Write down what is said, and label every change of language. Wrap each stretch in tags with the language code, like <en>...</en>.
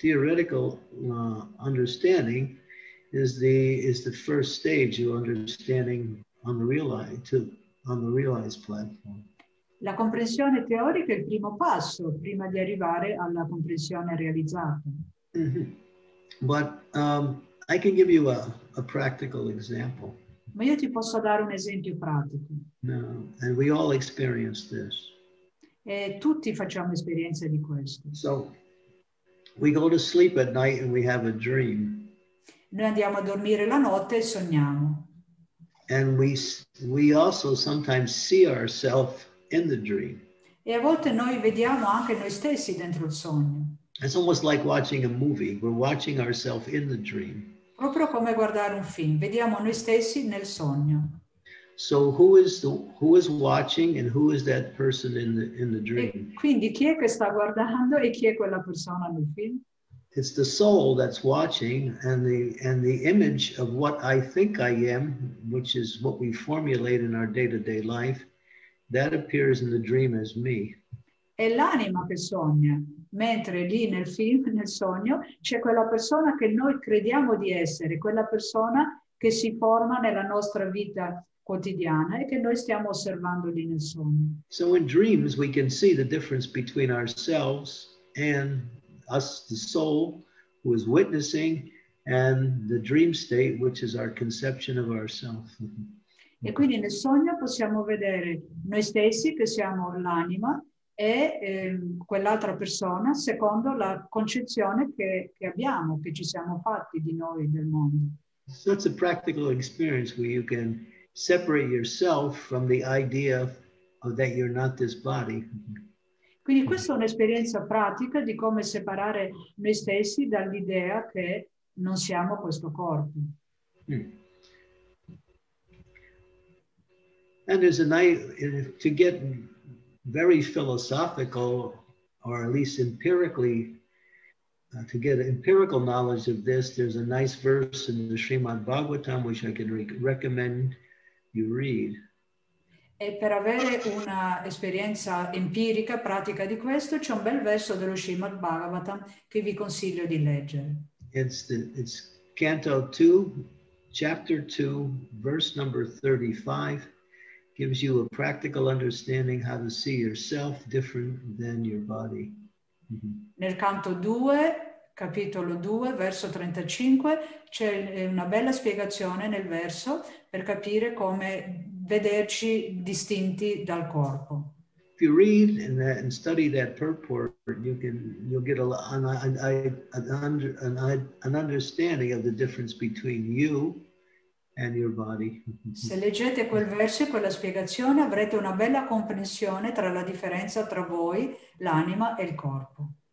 <en>Theoretical understanding is the first stage of understanding on the realized platform.</en> <it>La comprensione teorica è il primo passo prima di arrivare alla comprensione realizzata. Mm-hmm.</it> <en>But I can give you a practical example.</en> <it>Ma io ti posso dare un esempio pratico.</it> <en>No, and we all experience this.</en> <it>E tutti facciamo esperienza di questo.</it> <en>So, we go to sleep at night and we have a dream.</en> <it>Noi andiamo a dormire la notte e sogniamo.</it> <en>And we also sometimes see ourselves in the dream.</en> <it>E a volte noi vediamo anche noi stessi dentro il sogno.</it> <en>It's almost like watching a movie. We're watching ourselves in the dream.</en> <it>Proprio come guardare un film. Vediamo noi stessi nel sogno.</it> <en>So who is watching and who is that person in the dream?</en> <it>Quindi chi è che sta guardando e chi è quella persona nel film?</it> <en>It's the soul that's watching and the image of what I think I am, which is what we formulate in our day-to-day life, that appears in the dream as me.</en> <it>È l'anima che sogna, mentre lì nel film, nel sogno, c'è quella persona che noi crediamo di essere, quella persona che si forma nella nostra vita quotidiana e che noi stiamo osservando lì nel sogno.</it> <en>So in dreams we can see the difference between ourselves and us, the soul, who is witnessing, and the dream state, which is our conception of ourself.</en> <it>E quindi nel sogno possiamo vedere noi stessi che siamo l'anima e quell'altra persona secondo la concezione che abbiamo, che ci siamo fatti di noi, del mondo.</it> <en>So that's a practical experience where you can separate yourself from the idea of that you're not this body.</en> <it>Quindi questa è un'esperienza pratica di come separare noi stessi dall'idea che non siamo questo corpo.</it> <en>And there's a nice, to get very philosophical, or at least empirically, to get empirical knowledge of this, there's a nice verse in the Srimad Bhagavatam which I can recommend you read.</en> <it>E per avere una esperienza empirica, pratica di questo, c'è un bel verso dello Srimad Bhagavatam che vi consiglio di leggere.</it> <en>It's Canto 2, Chapter 2, verse number 35, gives you a practical understanding how to see yourself different than your body. Mm-hmm.</en> <it>Nel Canto 2, Capitolo 2, verso 35, c'è una bella spiegazione nel verso per capire come vederci distinti dal corpo.</it> <en>you read and study that purport, you'll get an understanding of the difference between you and your body.</en> <it>Se leggete quel verso e quella spiegazione, avrete una bella comprensione tra la differenza tra voi, l'anima e il corpo.</it>